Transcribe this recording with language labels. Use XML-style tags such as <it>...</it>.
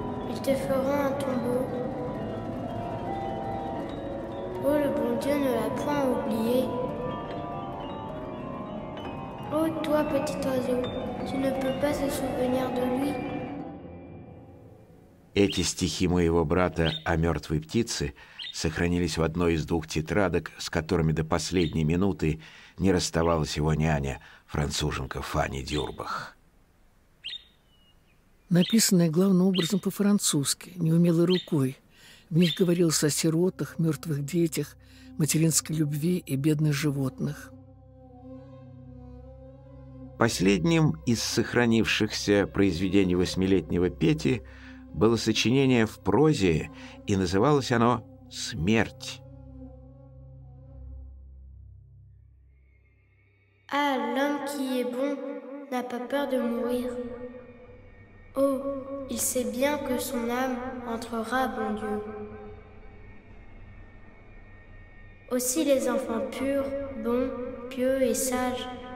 <fr>Ils te feront un tombeau. Oh, le bon Dieu ne l'a point oublié. Oh, toi, petit oiseau, tu ne peux pas se souvenir de lui.</fr> <ru>Эти стихи моего брата о мертвой птице сохранились в одной из двух тетрадок, с которыми до последней минуты не расставалась его няня, француженка Фанни Дюрбах. Написанное главным образом по-французски, неумелой рукой. В них говорилось о сиротах, мертвых детях, материнской любви и бедных животных. Последним из сохранившихся произведений восьмилетнего Пети было сочинение в прозе, и называлось оно «Смерть».</ru> <fr>Ah, l'homme qui est bon n'a pas peur de mourir. Oh, il sait bien que son âme entrera, bon Dieu. Aussi les enfants purs, bons, pieux et sages.</fr>